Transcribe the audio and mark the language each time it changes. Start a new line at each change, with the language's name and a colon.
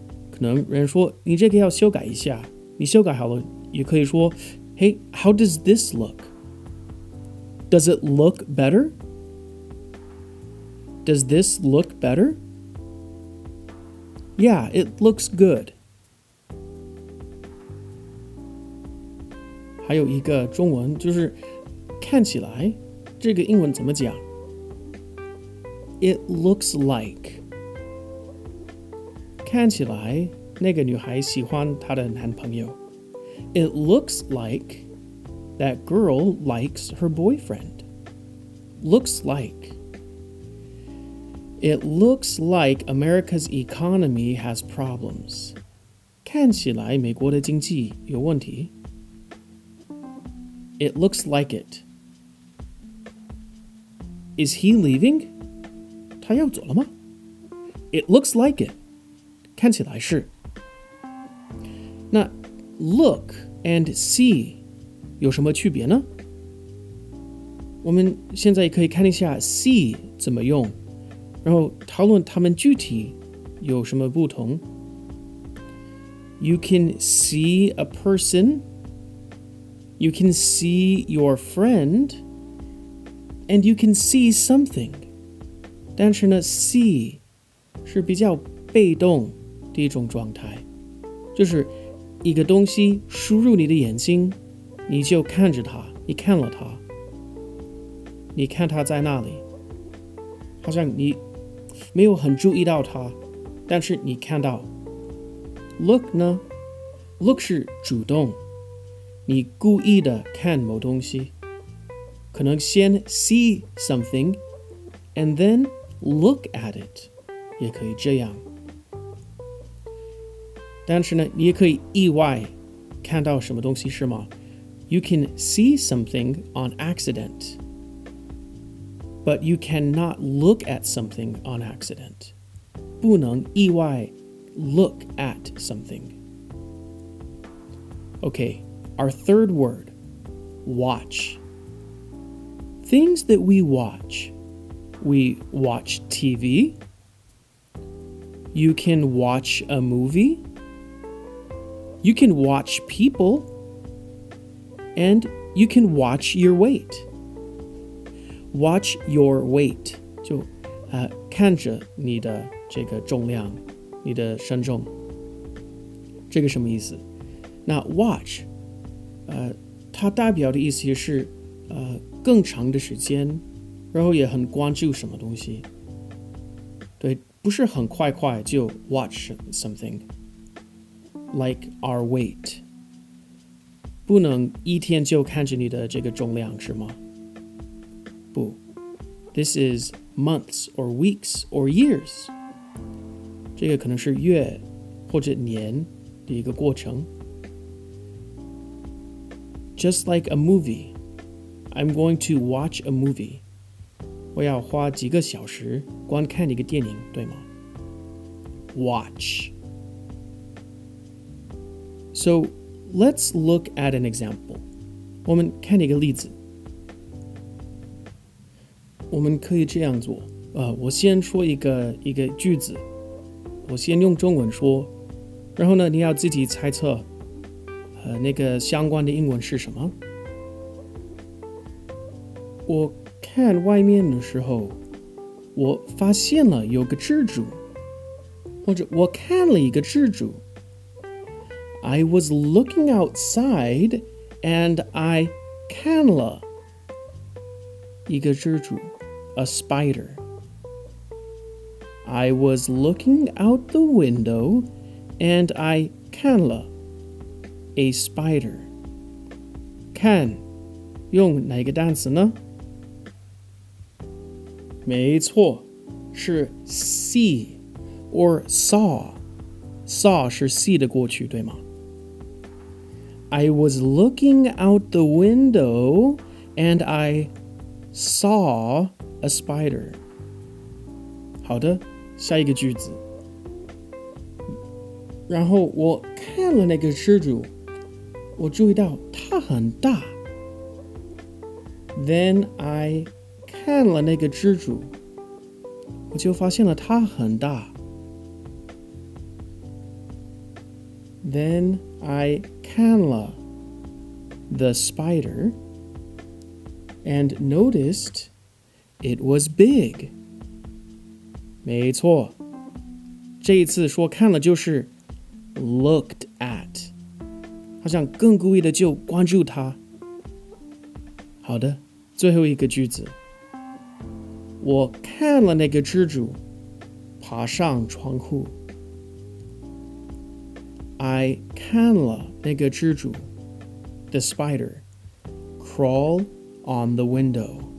Chinese: 可能人说，你这个要修改一下。你修改好了，也可以说，
English: hey, how does this look? Does it look better? Does this look better? Yeah, it looks good.
Chinese: 还有一个中文就是看起来，这个英文怎么讲？
English: It looks like.
Chinese: 看起来那个女孩喜欢她的男朋友。
English: It looks like that girl likes her boyfriend. Looks like. It looks like America's economy has problems.
Chinese: 看起来美国的经济有问题。
English: It looks like it. Is he leaving?
Chinese: 他要走了吗?
English: It looks like it.
Chinese: 看起来是。那 look and see 有什么区别呢? 我们现在可以看一下 see 怎么用。然后讨论他们具体有什么不同。
English: You can see a person. You can see your friend. And you can see something.
Chinese: 但是呢 see 是比较被动的一种状态。就是一个东西输入你的眼睛，你就看着它，你看了它。你看它在那里。好像你没有很注意到它，但是你看到。 Look 呢 ？Look 是主动，你故意的看某东西。可能先
English: see something， and then look at it，
Chinese: 也可以这样。但是呢，你也可以意外看到什么东西，是吗 ？
English: You can see something on accident. But you cannot look at something on accident.
Chinese: 不能意外
English: look at something. Okay, our third word, watch. Things that we watch. We watch TV. You can watch a movie. You can watch people. And you can watch your weight. Watch your weight.
Chinese: 就、看着你的这个重量，你的身重。这个什么意思？那 watch、它代表的意思也是、更长的时间然后也很关注什么东西。对，不是很快快就 watch something.
English: Like our weight.
Chinese: 不能一天就看着你的这个重量是吗？不。
English: This is months or weeks or years.
Chinese: 这个可能是月或者年的一个过程。
English: Just like a movie. I'm going to watch a movie.
Chinese: 我要花几个小时观看一个电影，对吗？
English: Watch. So, let's look at an example.
Chinese: 我们看一个例子。我们可以这样做。我先说一个句子。我先用中文说。然后呢，你要自己猜测，那个相关的英文是什么。我看外面的时候，我发现了有个蜘蛛，或者我看了一个蜘蛛。
English: I was looking outside, and I
Chinese: 看了一个蜘蛛
English: ，a spider. I was looking out the window, and I 看了 a spider.
Chinese: 看，用哪个单词呢？没错，是 see or saw. Saw 是 see 的过去，对吗？
English: I was looking out the window and I saw a spider.
Chinese: 好的，下一个句子。然后我看了那个蜘蛛，我注意到它很大。
English: Then I...
Chinese: 看了那个蜘蛛，我就发现了它很大。
English: Then I 看了 the spider and noticed it was big.
Chinese: 没错，这一次说看了就是 looked at， 好像更故意的就关注它。好的，最后一个句子。我看了那个蜘蛛爬上窗户。
English: I
Chinese: 看了那个蜘蛛
English: the spider, crawl on the window.